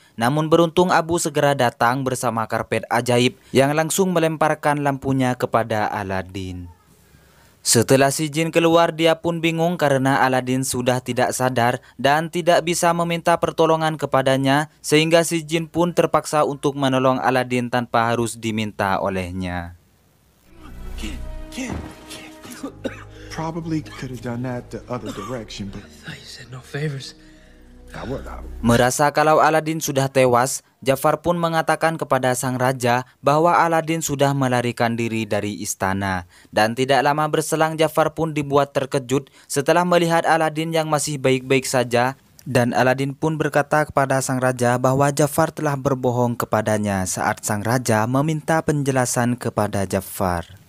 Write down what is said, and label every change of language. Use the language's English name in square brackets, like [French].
[Indonesian] Namun beruntung Abu segera datang bersama karpet ajaib yang langsung melemparkan lampunya kepada Aladdin. Setelah si jin keluar, dia pun bingung karena Aladdin sudah tidak sadar dan tidak bisa meminta pertolongan kepadanya, sehingga si jin pun terpaksa untuk menolong Aladdin tanpa harus diminta olehnya. [English] Probably could have done that the other direction, but I thought you said no favors. [Indonesian] Merasa kalau Aladdin sudah tewas, Jafar pun mengatakan kepada sang raja bahwa Aladdin sudah melarikan diri dari istana. Dan tidak lama berselang Jafar pun dibuat terkejut setelah melihat Aladdin yang masih baik-baik saja. Dan Aladdin pun berkata kepada sang raja bahwa Jafar telah berbohong kepadanya saat sang raja meminta penjelasan kepada Jafar.